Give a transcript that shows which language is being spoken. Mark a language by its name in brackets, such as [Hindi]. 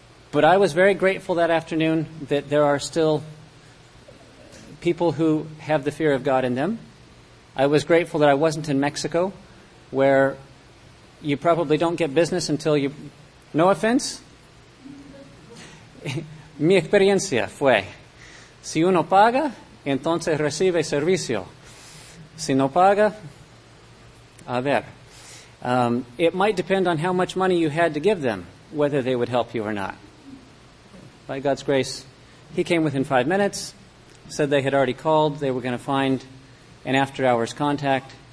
[English] But I was very grateful that afternoon that there are still people who have the fear of God in them. I was grateful that I wasn't in Mexico, where you probably don't get business until you... No offense. [Spanish] Mi experiencia fue, si uno paga, entonces recibe servicio. Si no paga, a ver. [English] It might depend on how much money you had to give them, whether they would help you or not. By God's grace, he came within 5 minutes, said they had already called, they were going to find an after-hours contact.